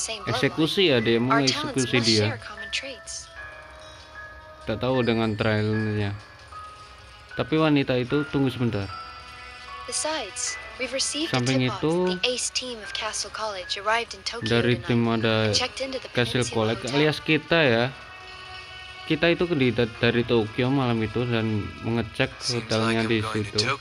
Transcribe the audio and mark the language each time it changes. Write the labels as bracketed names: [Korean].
[Indonesian] Eksekusi ya, dia mau eksekusi dia. Tidak tahu dengan trailnya. Tapi wanita itu tunggu sebentar. [English] Besides, we've received [Indonesian] Samping itu, [English] the ace team of Castle College arrived in Tokyo. [Indonesian] Dari tim ada Castle College alias kita ya. Kita itu dari Tokyo malam itu dan mengecek hotelnya di situ.